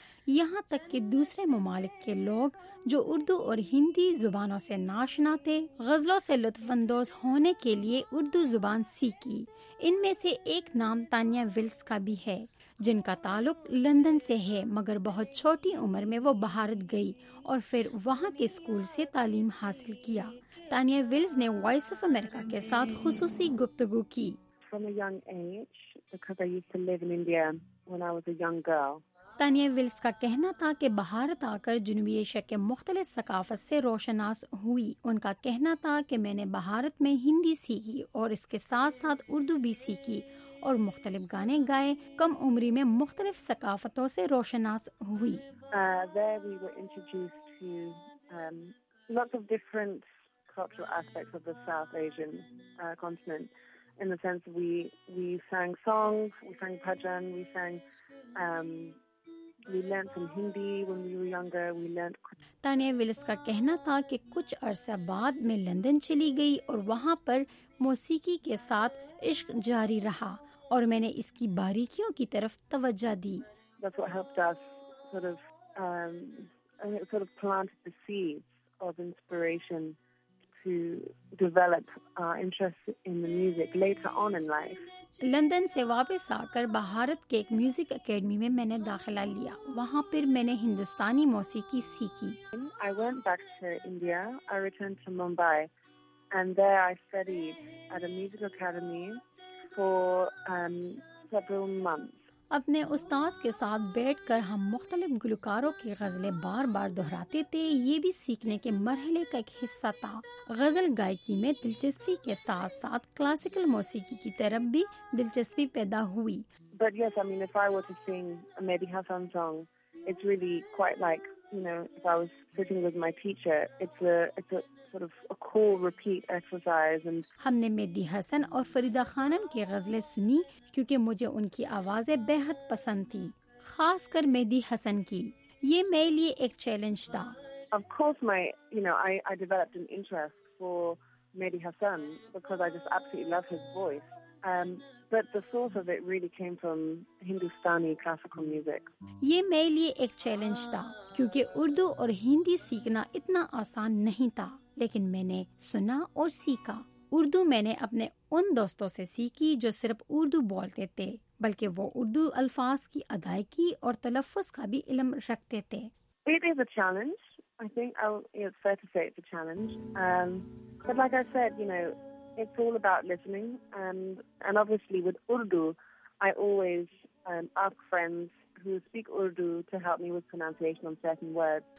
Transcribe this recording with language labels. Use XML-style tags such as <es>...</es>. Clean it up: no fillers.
<ur>یہاں تک کہ دوسرے ممالک کے لوگ جو اردو اور ہندی زبانوں سے ناشنا تھے، غزلوں سے لطف اندوز ہونے کے لیے اردو زبان سیکھی۔ ان میں سے ایک نام تانیہ ویلز کا بھی ہے، جن کا تعلق لندن سے ہے، مگر بہت چھوٹی عمر میں وہ بھارت گئی اور پھر وہاں کے اسکول سے تعلیم حاصل کیا۔ تانیہ ویلز نے وائس آف امریکہ کے ساتھ خصوصی گفتگو کی۔</ur> <en>From a young age, because I used to live in India when I was a young girl.</en> <ur>Tania Wales کا کہنا تھا کہ بھارت آ کر جنوبی ایشیا کے مختلف ثقافت سے روشناس ہوئی۔ ان کا کہنا تھا کہ میں نے بھارت میں ہندی سیکھی اور اس کے ساتھ ساتھ اردو بھی سیکھی اور مختلف گانے گائے، کم عمری میں مختلف ثقافتوں سے روشناس ہوئی۔</ur> <en>cultural aspects of the South Asian continent, in the sense we sang songs, we sang bhajan, we sang</en> <ur>Tania Wales کا کہنا تھا کہ کچھ عرصہ بعد میں لندن چلی گئی اور وہاں پر موسیقی کے ساتھ عشق جاری رہا، اور میں نے اس کی باریکیوں کی طرف توجہ دی. لندن سے واپس آ کر بھارت کے ایک میوزک اکیڈمی میں میں نے داخلہ لیا. وہاں پھر میں نے ہندوستانی موسیقی سیکھی.</ur> <en>I went back to India. I returned to Mumbai and there I studied at a music academy for several months.</en> <ur>اپنے استاد کے ساتھ بیٹھ کر ہم مختلف گلوکاروں کی غزلیں بار بار دہراتے تھے. یہ بھی سیکھنے کے مرحلے کا ایک حصہ تھا. غزل گائیکی میں دلچسپی کے ساتھ ساتھ کلاسیکل موسیقی کی طرف بھی دلچسپی پیدا ہوئی.</ur> <en>But yes, I mean, if I were to sing a Medihasan song, it's really quite like, you know, if I was sitting with my teacher, it's a sort of a cool repeat exercise. And</en> <ur>ہم نے مہدی حسن اور فریدہ خانم کی غزلیں سنی کیونکہ مجھے ان کی آوازیں بے حد پسند تھی, خاص کر مہدی حسن کی. یہ میرے لیے ایک چیلنج تھا.</ur> <en>Of course my, you know, I developed an interest for Mehdi Hasan because I just absolutely love his voice. But the source of it really came from Hindustani classical music.</en> <ur>یہ میرے لیے ایک challenge تھا کیونکہ اردو اور ہندی سیکھنا اتنا آسان نہیں تھا, لیکن میں نے سنا اور سیکھا. اردو میں نے اپنے ان دوستوں سے سیکھی جو صرف اردو بولتے تھے, بلکہ وہ اردو الفاظ کی ادائیگی اور تلفظ کا بھی علم رکھتے تھے.</ur> <en>It is a challenge. I think it's fair to say it's a challenge. But like I said, you know, it's all about listening. And obviously with Urdu, I always ask friends who speak Urdu to help me with pronunciation on certain words.</en>